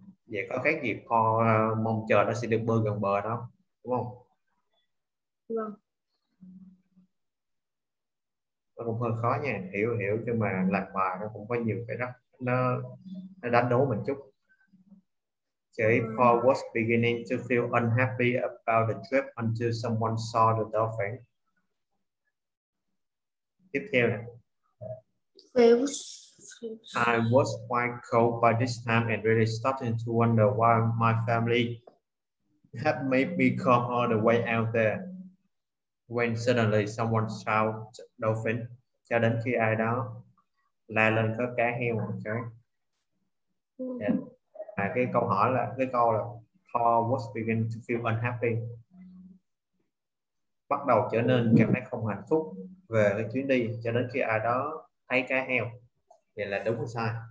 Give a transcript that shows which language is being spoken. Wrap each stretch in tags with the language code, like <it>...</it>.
<vi>Vậy có khác gì Paul mong chờ nó sẽ được bơi gần bờ đó đúng không? Vâng. Cũng hơi khó nha, hiểu hiểu nhưng mà làm bài nó cũng có nhiều cái đó nó đánh đố mình chút.</vi> <en>Okay, Paul was beginning to feel unhappy about the trip until someone saw the dolphin.</en> <vi>Tiếp theo nè.</vi> <en>I was quite cold by this time and really starting to wonder why my family had made me come all the way out there. When suddenly someone shouted dolphin,</en> <vi>cho đến khi ai đó la lên có cá heo một cái. À, cái câu hỏi là cái câu là</vi> <en>Paul was beginning to feel unhappy,</en> <vi>bắt đầu trở nên cảm thấy không hạnh phúc về cái chuyến đi cho đến khi ai đó thấy cá heo. Vậy là đúng hay sai?</vi>